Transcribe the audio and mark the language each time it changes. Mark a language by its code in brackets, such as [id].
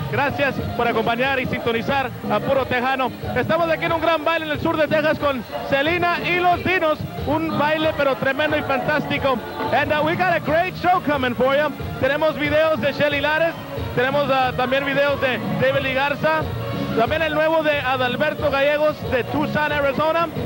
[es] Gracias por acompañar y sintonizar a Puro Tejano. Estamos aquí en un gran baile en el sur de Texas con Selena y los Dinos. Un baile pero tremendo y fantástico. [en] And we got a great show coming for you. [es] Tenemos videos de Shelly Lares. Tenemos también videos de David Ligarza. También el nuevo de Adalberto Gallegos de Tucson, Arizona.